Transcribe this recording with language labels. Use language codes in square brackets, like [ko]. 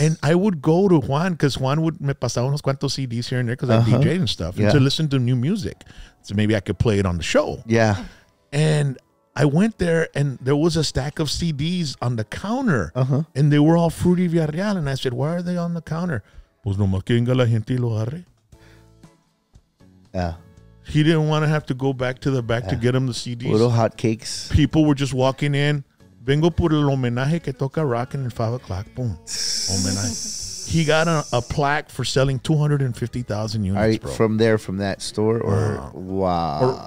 [en] And I would go to Juan because Juan would [es] me pasaba unos cuantos CDs [en] here and there because I DJed and stuff and to listen to new music. So maybe I could play it on the show. Yeah. And I went there and there was a stack of CDs on the counter. Uh-huh. And they were all Fruity Villarreal. And I said, why are they on the counter? [es] Pues nomás que venga la gente y lo agarre. [en] Yeah. He didn't want to have to go back to the back to get them the CDs. Little hotcakes. People were just walking in. [es] Vengo por el homenaje que toca [en] rocking at 5 o'clock. Boom. Homenaje. He got a plaque for selling 250,000 units, bro. From that store? Wow.